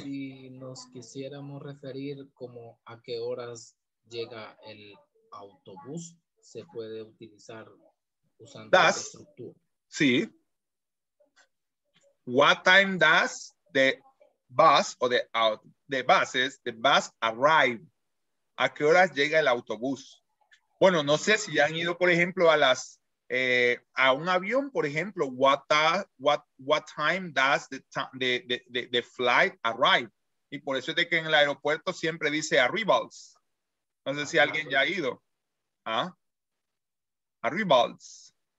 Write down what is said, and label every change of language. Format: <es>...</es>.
<es>Si nos quisiéramos referir como a qué horas llega el autobús, se puede utilizar usando la estructura. Sí.</es> <en>What time does the bus or the bus arrive?</en> <es>¿A qué horas llega el autobús? Bueno, no sé si ya han ido, por ejemplo, a un avión, por ejemplo.</es> <en>What time does the flight arrive?</en> <es>Y por eso es de que en el aeropuerto siempre dice arrivals. No sé si alguien ya ha ido. ¿Ah? Arrivals.</es>